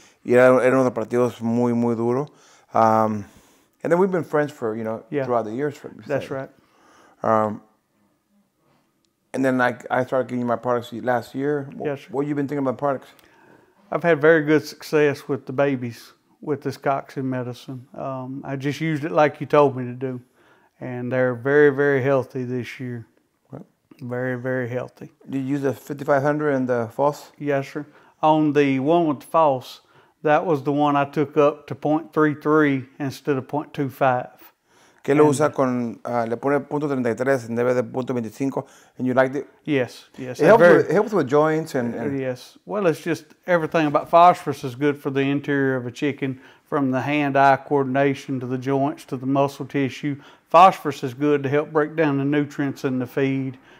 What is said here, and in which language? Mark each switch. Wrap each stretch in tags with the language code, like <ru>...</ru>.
<es>Y era uno de los partidos muy, muy duro.</es> <en>And then we've been friends for, you know, yeah. throughout the years. For That's say. Right. And then I started getting my products last year. Yes, what have you been thinking about products? I've had very good success with the babies, with this coxswain medicine. I just used it like you told me to do. And they're very, very healthy this year. What? Very, very healthy. Did you use the 5500 and the FOSS? Yes, sir. On the one with the FOSS, that was the one I took up to 0.33 instead of 0.25.</en> <es>¿Qué lo usa con, le pone 0.33 en vez de 0.25?</es> <en>And you liked it? Yes, yes. It helps with joints and... Yes. Well, it's just everything about phosphorus is good for the interior of a chicken, from the hand-eye coordination to the joints to the muscle tissue. Phosphorus is good to help break down the nutrients in the feed.</en>